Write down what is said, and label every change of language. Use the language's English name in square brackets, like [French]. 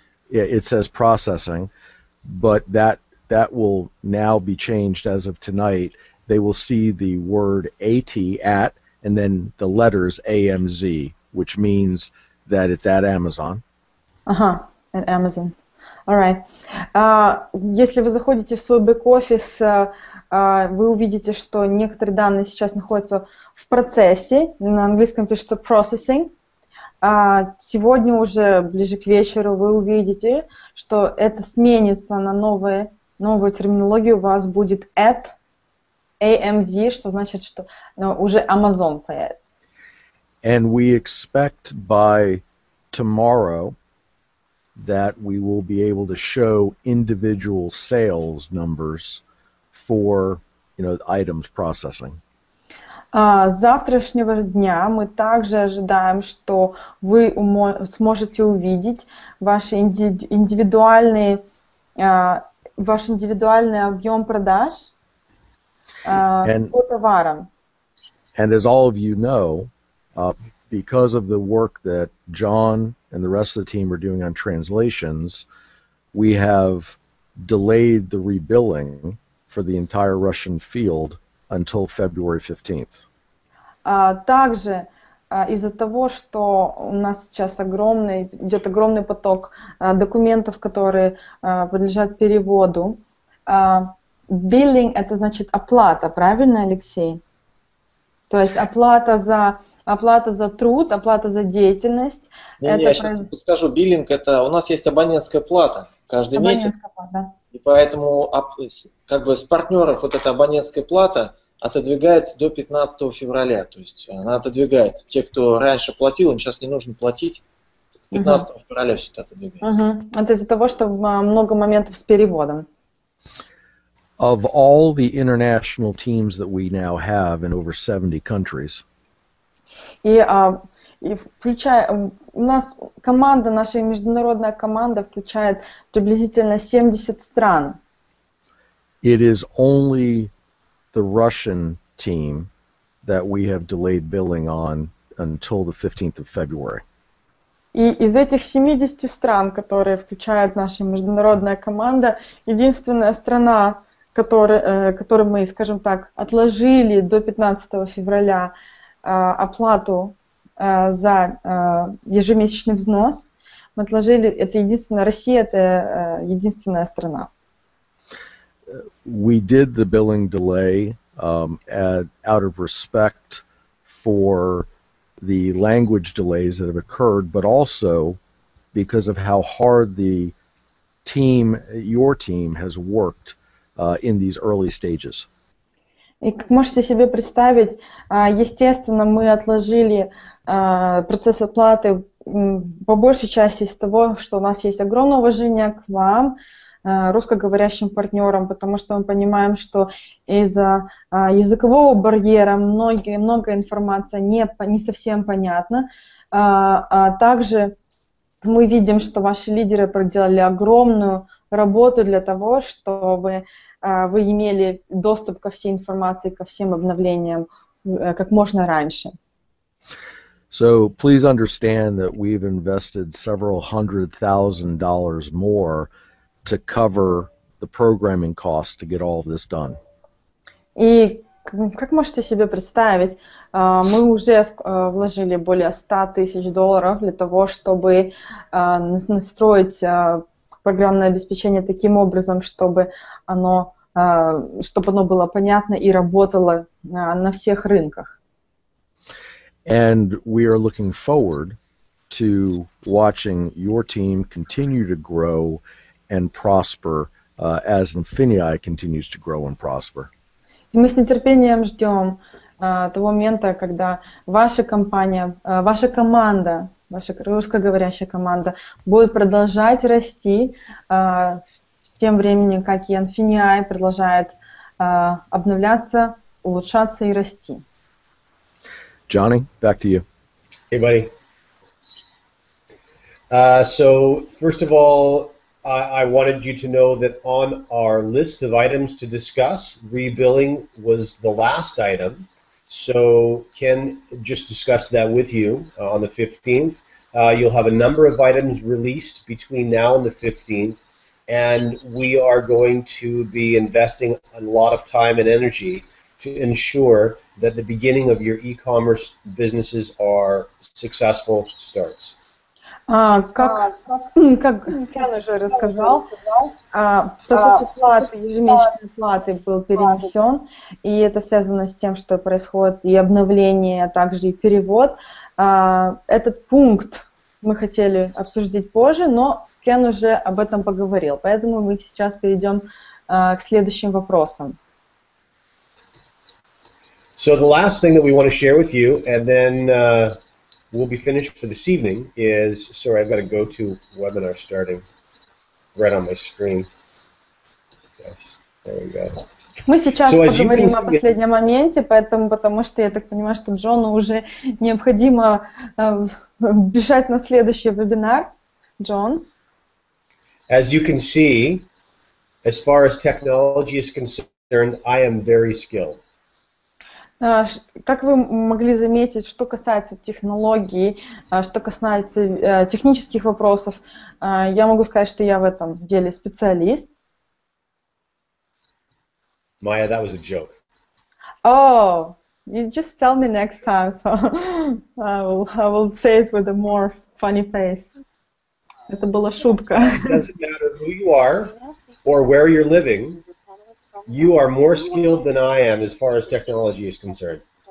[English] Yeah, it says processing, but that will now be changed as of tonight. They will see the word AT, at, and then the letters AMZ, which means that it's at Amazon. Uh-huh, at Amazon. All right. [Russian] Если вы заходите в свой бэк-офис, вы увидите, что некоторые данные сейчас находятся в процессе. На английском пишется processing. Сегодня уже ближе к вечеру вы увидите, что это сменится на новую терминологию. У вас будет at AMZ, что значит, что уже Amazon появится. [English] And we expect by tomorrow that we will be able to show individual sales numbers for, you know, items processing. [Russian] Завтрашнего дня мы также ожидаем, что вы сможете увидеть ваши индивидуальный объем продаж по товарам. [English] And as all of you know, because of the work that John and the rest of the team are doing on translations, we have delayed the rebilling for the entire Russian field until February 15th. [Russian] Также из-за того, что у нас сейчас идет огромный поток документов, которые подлежат переводу. Billing — это значит оплата, правильно, Алексей? То есть оплата за труд, оплата за деятельность. Я сейчас подскажу. Биллинг — это у нас есть абонентская плата каждый месяц. И поэтому как бы с партнеров вот эта абонентская плата отодвигается до 15 февраля. То есть она отодвигается. Те, кто раньше платил, им сейчас не нужно платить. 15 февраля все это отодвигается. Это из-за того, что много моментов с переводом. [English] Of all the international teams that we now have in over 70 countries, [Russian] у нас команда, наша международная команда включает приблизительно 70 стран. [English] It is only the Russian team that we have delayed billing on until the 15th of February. [Russian] И из этих 70 стран, которые включает наша международная команда, единственная страна, которой мы, скажем так, отложили до 15 февраля оплату за ежемесячный взнос. Мы отложили, это единственная Россия, это единственная страна. [English] We did the billing delay out of respect for the language delays that have occurred, but also because of how hard your team has worked in these early stages. [Russian] И как можете себе представить, естественно, мы отложили процесс оплаты по большей части из того, что у нас есть огромное уважение к вам, русскоговорящим партнерам, потому что мы понимаем, что из-за языкового барьера много информации не совсем понятна. А также мы видим, что ваши лидеры проделали огромную работу для того, чтобы вы имели доступ ко всей информации, ко всем обновлениям как можно раньше. [English] So please understand that we've invested several hundred thousand dollars more to cover the programming costs to get all of this done. [Russian] И как можете себе представить, мы уже вложили более 100 тысяч долларов для того, чтобы настроить программное обеспечение таким образом, чтобы оно было понятно и работало на всех рынках. [English] And we are looking forward to watching your team continue to grow and prosper as Infineon continues to grow and prosper. [Russian] Мы с нетерпением ждем того момента, когда ваша компания, ваша команда, ваша русскоговорящая команда будет продолжать расти с тем временем, как и Infineon продолжает обновляться, улучшаться и расти. [English] Johnny, back to you. Hey, buddy. So, first of all, I wanted you to know that on our list of items to discuss, rebilling was the last item. So, Ken just discussed that with you on the 15th. You'll have a number of items released between now and the 15th, and we are going to be investing a lot of time and energy to ensure that the beginning of your e-commerce businesses are successful starts. [Russian] Как Кен уже рассказал, ежемесячные платы был перенесен, и это связано с тем, что происходит и обновление, а также и перевод. Этот пункт мы хотели обсудить позже, но Кен уже об этом поговорил, поэтому мы сейчас перейдем к следующим вопросам. [English] So the last thing that we want to share with you, and then we'll be finished for this evening, is, sorry, I've got a GoToWebinar starting right on my screen. Yes, there we go. [Russian] Мы сейчас поговорим о последнем моменте, поэтому, потому что я так понимаю, что Джону уже необходимо бежать на следующий вебинар. Джон? [English] As you can see, as far as technology is concerned, I am very skilled. [Russian] Как вы могли заметить, что касается технологий, что касается технических вопросов, я могу сказать, что я в этом деле специалист. [English] Maya, that was a joke. Oh, you just tell me next time, so I will say it with a more funny face. [Russian] Это была шутка. [English] It doesn't matter who you are or where you're living. You are more skilled than I am as far as technology is concerned.